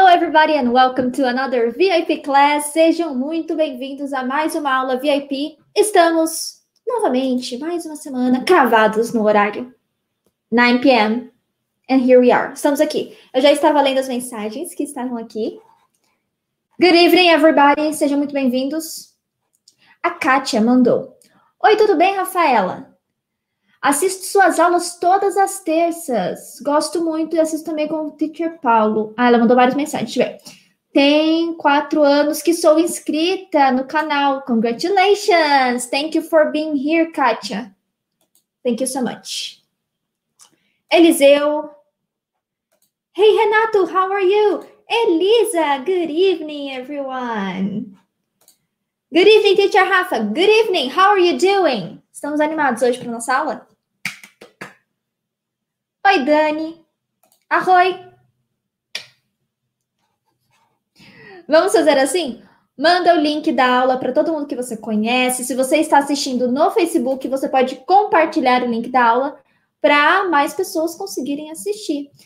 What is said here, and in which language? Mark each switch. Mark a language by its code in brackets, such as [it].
[en] everybody and welcome to another VIP class. [pt] Sejam muito bem-vindos a mais uma aula VIP. Estamos novamente, mais uma semana, cravados no horário. [en] 9 p.m. and here we are. [pt] Estamos aqui. Eu já estava lendo as mensagens que estavam aqui. [en] Good evening, everybody. [pt] Sejam muito bem-vindos. A Kátia mandou. Oi, tudo bem, Rafaela? Assisto suas aulas todas as terças. Gosto muito e assisto também com o teacher Paulo. Ah, ela mandou várias mensagens. Deixa eu ver. Tem 4 anos que sou inscrita no canal. [en] Congratulations! Thank you for being here, Kátia. Thank you so much. Eliseu. Hey, Renato, how are you? Elisa, good evening, everyone. Good evening, teacher Rafa. Good evening, how are you doing? [pt] Estamos animados hoje para a nossa aula? Oi, Dani. Arroi. Vamos fazer assim? Manda o link da aula para todo mundo que você conhece. Se você está assistindo no Facebook, você pode compartilhar o link da aula para mais pessoas conseguirem assistir.